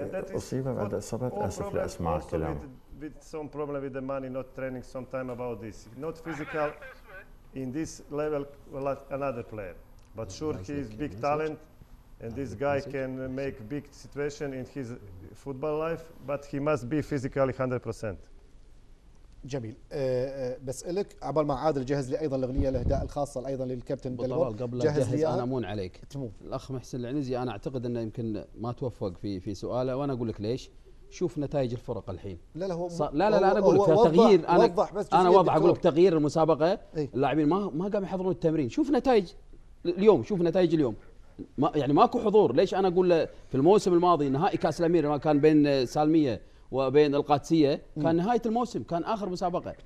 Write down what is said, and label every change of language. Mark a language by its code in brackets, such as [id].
[ar] أصيبة بعد إصابات أسف لا أسمع كلام. [en] With some problem with the money, not training sometime about this. Not physical in this level, like another player. But sure, he is big talent, and this guy can make big situation in his football life. But he must be physically 100%. [ar] جميل بسألك عبال ما عادل جهز لي أيضا الأغنية الأهداء الخاصة أيضا للكابتن بلوال قبل جهز أنا أمون عليك الأخ محسن العنزي أنا أعتقد أنه يمكن ما توفق في سؤاله وأنا أقول لك ليش شوف نتائج الفرق الحين لا لا هو لا لا, لا أنا أقول لك تغيير أنا واضح أقول لك تغيير المسابقة ايه؟ اللاعبين ما قام يحضرون التمرين شوف نتائج اليوم شوف نتائج اليوم ما يعني ماكو حضور ليش أنا أقول في الموسم الماضي نهائي كأس الأمير ما كان بين سالمية وبين القادسية كان نهاية الموسم كان آخر مسابقة